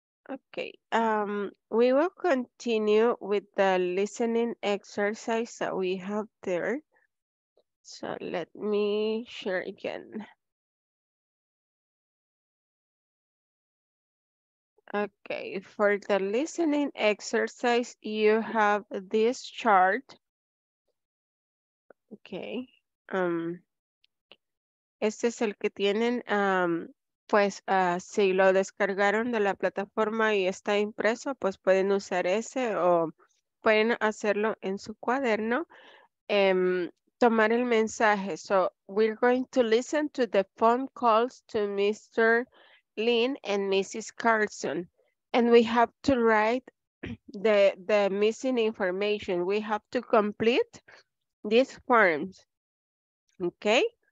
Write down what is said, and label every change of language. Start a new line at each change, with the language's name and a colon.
English: Okay, we will continue with the listening exercise that we have there. So let me share again. Okay, for the listening exercise, you have this chart. Okay.
Spanish: Este es el que tienen, pues si lo descargaron de la plataforma y está impreso, pues pueden usar ese o pueden hacerlo en su cuaderno. Tomar el mensaje.
English: So we're going to listen to the phone calls to Mr. Lynn and Mrs. Carlson. And we have to write the missing information. We have to complete these forms. Okay?